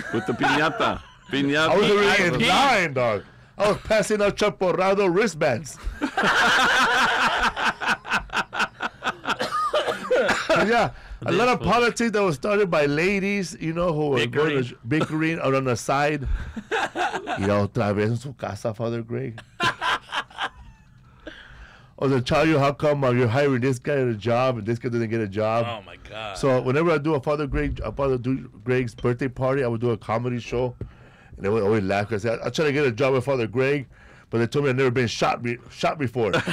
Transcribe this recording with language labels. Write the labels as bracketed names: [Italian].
[English] With the piñata. Piñata. I was already in line, dog. I was passing out champorrado wristbands. Yeah. A lot of politics that was started by ladies, you know, who were going to bickering or on the side. [Spanish] Y otra vez en su casa, Father Greg. [English] Or they tell you, how come you're hiring this guy at a job and this guy didn't get a job? Oh, my God. So whenever I do a Father Greg's birthday party, I would do a comedy show. And they would always laugh. I said, I'll try to get a job with Father Greg, but they told me I've never been shot before.